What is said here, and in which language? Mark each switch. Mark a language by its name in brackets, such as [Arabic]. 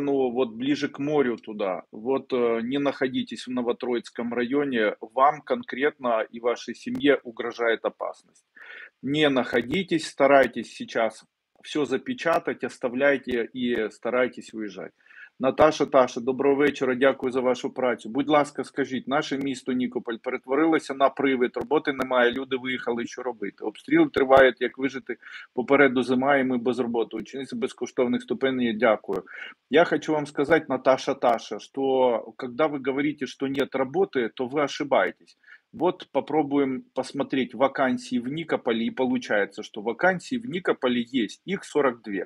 [Russian] вот ближе к морю туда, вот не находитесь в Новотроицком районе, вам конкретно и вашей семье угрожает опасность, не находитесь, старайтесь сейчас все запечатать, оставляйте и старайтесь уезжать. [Ukrainian] Наташа, доброго вечора, дякую за вашу працю. Будь ласка, скажіть, наше місто Нікополь перетворилося на привид, роботи немає, люди виїхали, що робити? Обстріл триває, як вижити, попереду зима, і ми без роботи. Учениці безкоштовних ступеней, дякую. Я хочу вам сказати, Наташа, що коли ви говорите, що нет роботи, то ви ошибаєтесь. [Russian] Вот попробуем посмотреть вакансии в Никополе, и получается, что вакансии в Никополе есть, их 42.